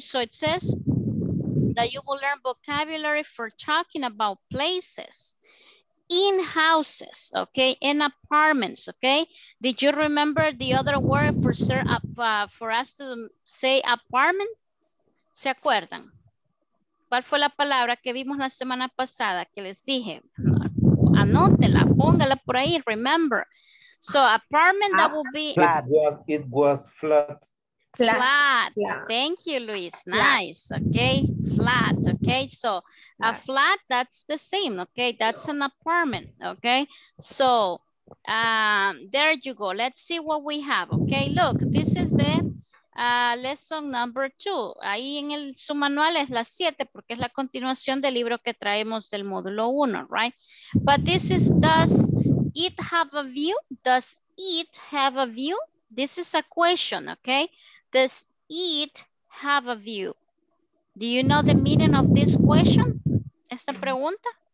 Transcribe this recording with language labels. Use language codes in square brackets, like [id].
[en] So it says that you will learn vocabulary for talking about places in houses, okay, in apartments, okay? Did you remember the other word for us to say apartment? [es] ¿Se acuerdan? ¿Cuál fue la palabra que vimos la semana pasada que les dije? Anótela, póngala por ahí, [en] remember. So apartment, that will be... It was flat. Flat. Thank you, Luis. Nice. Okay. Flat. Okay. So a flat, that's the same. Okay. That's an apartment. Okay. So there you go. Let's see what we have. Okay. Look, this is the lesson number 2. [es] Ahí en el submanual es la 7 porque es la continuación del libro que traemos del módulo 1, right? [en] But this is, does it have a view? Does it have a view? This is a question. Okay. Does it have a view? Do you know the meaning of this question? [es] ¿Esta pregunta?